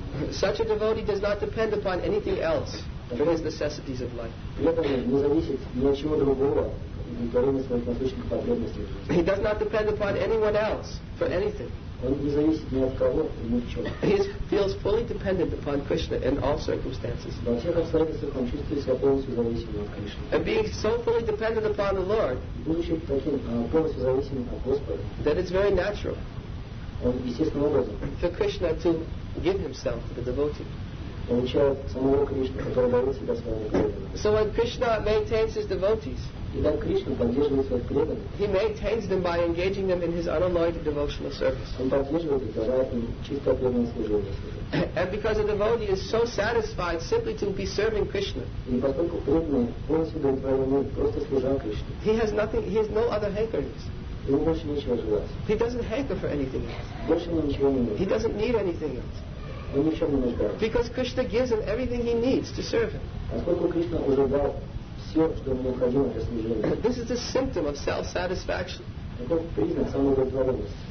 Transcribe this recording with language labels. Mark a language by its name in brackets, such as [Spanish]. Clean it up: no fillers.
[English] Such a devotee does not depend upon anything else for his necessities of life. He does not depend upon anyone else for anything. [Russian] Он не зависит ни от кого и ни в чем. [English] He feels fully dependent upon Krishna in all circumstances. [Russian] Во всех обстоятельствах он чувствует себя полностью зависимым от Кришны. [English] And being so fully dependent upon the Lord, [Russian] будучи таким полностью зависимым от Господа, [English] that it's very natural. [Russian] Он естественным образом. [English] For Krishna to give himself to the devotee. [Russian] Получает самого Кришну, который дает себя своему преданному. [English] So when Krishna maintains his devotees, [Russian] и так Кришна поддерживает своих преданных. [English] He maintains them by engaging them in his unalloyed devotional service. [Russian] Он поддерживает их, давая им чистое преданное служение. [English] And because a devotee is so satisfied simply to be serving Krishna, [Russian] и поскольку преданный полностью удовлетворен, просто служа Кришне, [English] he has no other hankerings. [Russian] Ему больше нечего желать. [English] He doesn't hanker for anything else. [Russian] Больше ему ничего не нужно. [English] He doesn't need anything else. [Russian] Он ни в чем не нуждается. [English] Because Krishna gives him everything he needs to serve him. [Russian] Поскольку Кришна уже дал все, что ему необходимо для служения. [English] This is a symptom of self-satisfaction. [Russian] Это признак самоудовлетворенности.